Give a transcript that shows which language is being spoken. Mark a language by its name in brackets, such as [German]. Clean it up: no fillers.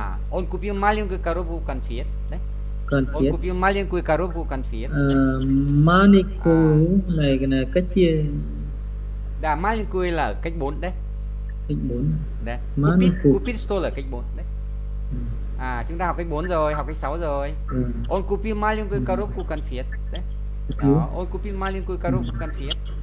[Russian] Он купил маленькую коробку конфет. Да? Конфет. Он купил маленькую коробку конфет. Маленькую. Какие? Да, маленькую [Vietnamese] là cách bốn đấy. Cách bốn. [Russian] Да. Маленькую. Купил что [Vietnamese] là cách bốn đấy. À, chúng ta học cách 4 rồi, học cách 6 rồi. [Russian] On купил маленькую коробку конфет. [Vietnamese] Đấy. Đó, [Russian] on купил маленькую коробку конфет.